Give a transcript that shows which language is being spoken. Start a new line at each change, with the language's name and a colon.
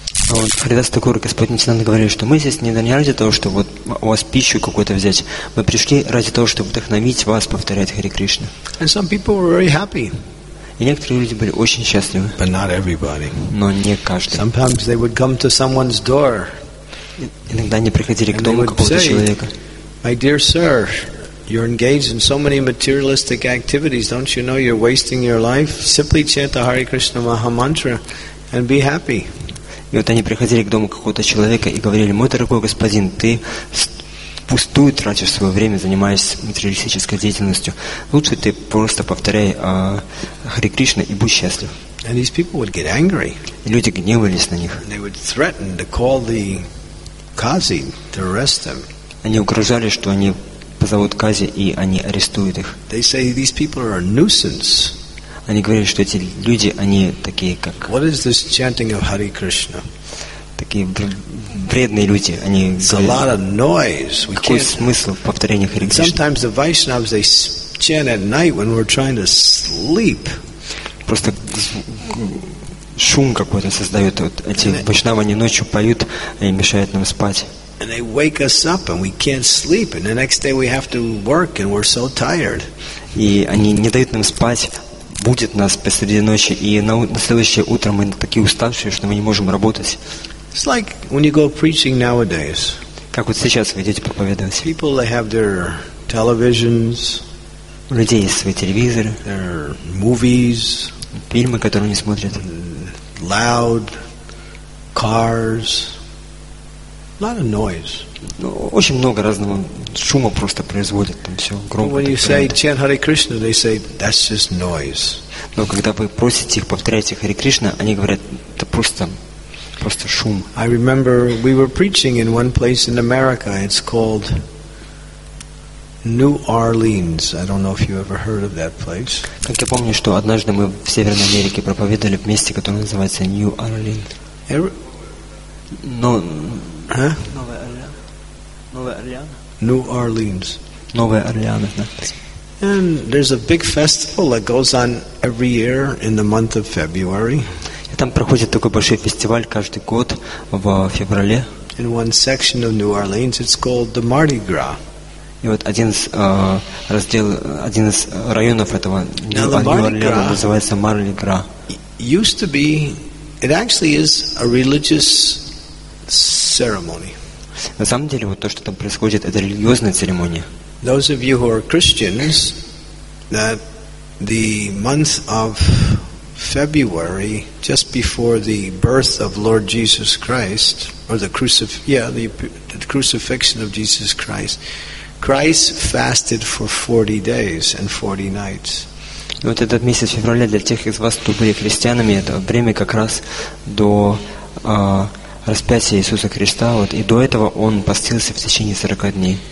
Russian: А вот Харидас Такур, Господь Нитянанда говорил, что мы здесь не ради того, чтобы вот у вас пищу какую-то взять. Мы пришли ради того, чтобы вдохновить вас повторять Харе Кришну.
English: And some people were very happy.
Russian: И некоторые люди были очень счастливы.
English: But not everybody.
Russian: Но не каждый.
English: Sometimes they would come to someone's door.
Russian: Иногда они приходили к дому какого-то человека.
English: "My dear sir, you're engaged in so many materialistic activities. Don't you know you're wasting your life? Simply chant the Hare Krishna Maha Mantra and be happy."
Russian: И вот они приходили к дому какого-то человека и говорили: "Мой дорогой господин, ты впустую тратишь свое время, занимаясь материалистической деятельностью. Лучше ты просто повторяй Харе Кришна и будь счастлив."
English: And these people would get angry.
Russian: И люди гневались на них.
English: And they would threaten to call the Qazi to arrest them.
Russian: Они угрожали, что они позовут Кази, и они арестуют их.
English: They say these people are a nuisance.
Russian: Они говорили, что эти люди, они такие, как...
English: What is this chanting of Hare Krishna?
Russian: Такие вредные люди. Они
English: It's
Russian: говорили,
English: a lot of noise. We
Russian: какой смысл в повторении Харе Кришна?
English: Sometimes the Vaishnavas, they chant at night when we're trying to sleep.
Russian: Просто шум какой-то создают. Вот эти Вайшнавы, они ночью поют и мешают нам спать.
English: And they wake us up, and we can't sleep. And the next day we have to work, and we're so tired.
Russian: И они не дают нам спать, будет нас посреди ночи, и на следующее утро мы такие уставшие, что мы не можем работать.
English: It's like when you go preaching nowadays.
Russian: Как вот сейчас вы идете проповедовать?
English: People, they have their televisions.
Russian: У людей есть свои телевизоры.
English: Their movies.
Russian: Фильмы, которые они смотрят.
English: Loud cars. A lot of noise.
Russian: Ну, очень много разного шума просто производят там все громко.
English: When you say chant Hare Krishna, they say that's just noise.
Russian: Но когда вы просите их повторять Харе Кришна, они говорят, это просто шум.
English: I remember we were preaching in one place in America. It's called New Orleans. I don't know if you ever heard of that place.
Russian: Как я помню, что однажды мы в Северной Америке проповедовали в месте, которое называется New Orleans. Новая Орлеана. Новая Орлеана.
English: New Orleans. And there's a big festival that goes on every year in the month of February.
Russian: И там проходит такой большой фестиваль каждый год в феврале.
English: In one section of New Orleans, it's called the Mardi Gras.
Russian: И вот один из районов этого Нью-Орлеана называется Марли Гра.
English: Used to be It actually is a religious ceremony.
Russian: На самом деле, вот то, что там происходит, это религиозная церемония.
English: Those of you who are Christians, that the month of February, just before the birth of Lord Jesus Christ, or the crucifixion of Jesus Christ, Christ fasted for 40 days and 40 nights.
Russian: Вот этот месяц февраля для тех из вас, кто были христианами, это время как раз до распятия Иисуса Христа, вот, и до этого он постился в течение 40 дней.